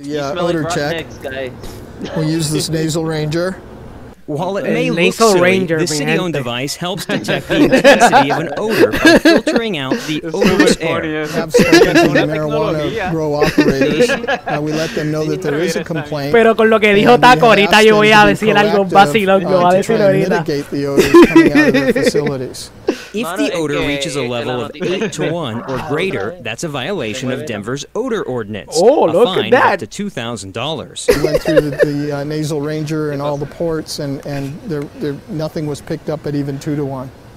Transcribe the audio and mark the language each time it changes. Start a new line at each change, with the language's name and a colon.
English: Yeah, odor check. We use this nasal ranger. While it may look silly, this city-owned device helps detect the intensity of an odor by filtering out the odorous air. Absolutely, the marijuana grow operators. We let them know that there is a complaint.
Spanish: Pero con lo que dijo Taco ahorita, yo voy a decir algo vacilón. Yo voy a decir ahorita.
English: If the odor reaches a level of 8 to 1 or greater, that's a violation of Denver's odor ordinance. Oh, look at that! A fine up to $2,000. We went through the nasal ranger and all the ports. And there nothing was picked up at even 2 to 1.